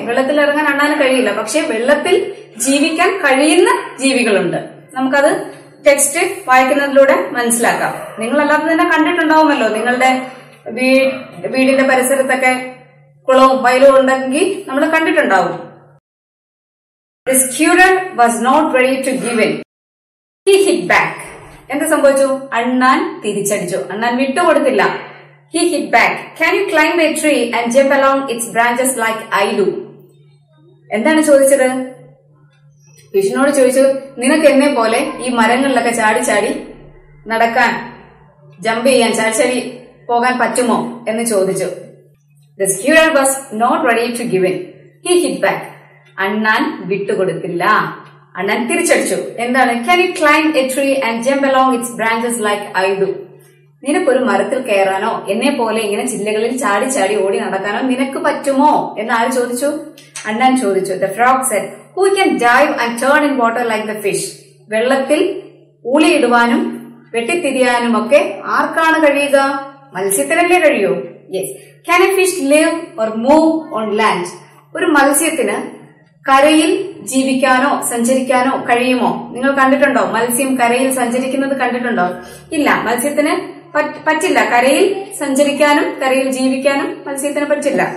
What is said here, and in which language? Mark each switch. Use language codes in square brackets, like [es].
[ml] വെള്ളത്തിൽ ഇറങ്ങാൻ അണ്ണാന് കഴിയില്ല. പക്ഷെ വെള്ളത്തിൽ ജീവിക്കാൻ കഴിയുന്ന ജീവികളുണ്ട്. നമുക്കത് ടെക്സ്റ്റ് വായിക്കുന്നതിലൂടെ മനസ്സിലാക്കാം. നിങ്ങളല്ലാതെ തന്നെ കണ്ടിട്ടുണ്ടാവുമല്ലോ, നിങ്ങളുടെ വീടിന്റെ പരിസരത്തൊക്കെ കുളവും വയലും ഉണ്ടെങ്കിൽ നമ്മൾ കണ്ടിട്ടുണ്ടാവും. [en] The skewer was not ready to give in. He hit back. [ml] എന്താ സംഭവിച്ചു? അണ്ണാൻ തിരിച്ചടിച്ചു. അണ്ണാൻ വിട്ടുകൊടുത്തില്ല. [en] He hit back. Can you climb a tree and jump along its branches like I do? [ml] എന്താണ് ചോദിച്ചത്? വിഷ്ണുവിനോട് ചോദിച്ചു, നിനക്ക് എന്നെ പോലെ ഈ മരങ്ങളിലൊക്കെ ചാടി ചാടി നടക്കാൻ, ജമ്പ് ചെയ്യാൻ, ചാടിച്ചാടി പോകാൻ പറ്റുമോ എന്ന് ചോദിച്ചു. [en] The skewer was not ready to give in. He hit back. [ml] അണ്ണാൻ വിട്ടുകൊടുത്തില്ല, അണ്ണാൻ തിരിച്ചടിച്ചു. എന്താണ്? [en] Can you climb a tree and jump along its branches like I do? [ml] നിനക്കൊരു മരത്തിൽ കയറാനോ എന്നെ പോലെ ഇങ്ങനെ ചില്ലകളിൽ ചാടി ചാടി ഓടി നടക്കാനോ നിനക്ക് പറ്റുമോ എന്ന് ആര് ചോദിച്ചു? അണ്ണാൻ ചോദിച്ചു. [en] The frog said, Who can dive and turn in water like the fish? [ml] വെള്ളത്തിൽ ഊളിയിടുവാനും വെട്ടിത്തിരിയാനും ഒക്കെ ആർക്കാണ് കഴിയുക? മത്സ്യത്തിനല്ലേ കഴിയൂ. [en] Yes. Can a fish live or move on land? [ml] ഒരു മത്സ്യത്തിന് കരയിൽ ജീവിക്കാനോ സഞ്ചരിക്കാനോ കഴിയുമോ? നിങ്ങൾ കണ്ടിട്ടുണ്ടോ മത്സ്യം കരയിൽ സഞ്ചരിക്കുന്നത്? കണ്ടിട്ടുണ്ടോ? ഇല്ല, മത്സ്യത്തിന് പറ്റില്ല കരയിൽ സഞ്ചരിക്കാനും കരയിൽ ജീവിക്കാനും മത്സ്യത്തിന് പറ്റില്ല.